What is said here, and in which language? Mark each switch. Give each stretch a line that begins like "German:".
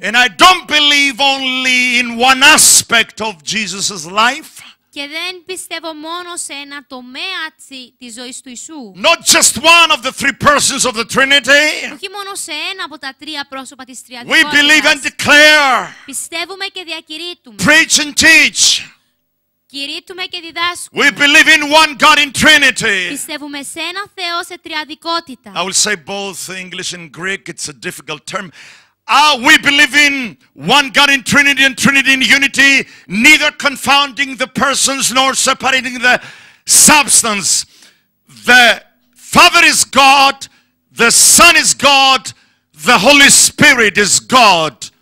English: And I don't believe only in one aspect of Jesus's life.
Greek: Και δεν πιστεύω μόνο σε ένα τομέα της ζωής του Ιησού.
English: Not just one of the three persons of the Trinity.
Greek: Όχι μόνο σε ένα από τα τρία πρόσωπα της Τριαδικότητας.
English: We believe and declare.
Greek: Πιστεύουμε και διακηρύττουμε.
English: Preach and teach.
Greek: Κηρύττουμε και διδάσκουμε.
English: We believe in one God in Trinity.
Greek: Πιστεύουμε σε ένα Θεό σε Τριαδικότητα.
English: I will say both English and Greek. It's a difficult term. We believe in one God in Trinity and Trinity in unity, neither confounding the persons nor separating the substance. The Father is God, the Son is God, the Holy Spirit is God.